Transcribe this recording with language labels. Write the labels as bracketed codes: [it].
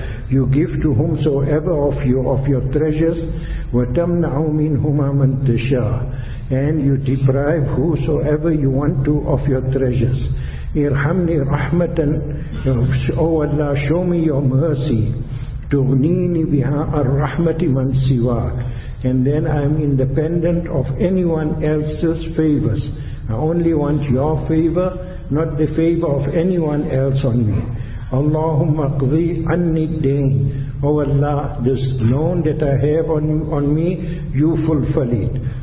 [en] You give to whomsoever of you of your treasures [ar] وتمنع منهما من تشاء. [en] And you deprive whosoever you want to of your treasures. [ar] ارحمني رحمة. [en] Oh Allah, show me your mercy. [ar] تغنيني بها الرحمة من سوى. [en] And then I am independent of anyone else's favors. I only want your favor, not the favor of anyone else on me. [ar] Allahumma qdi anni dain. [en] Oh Allah, this loan that I have on me, you fulfill it.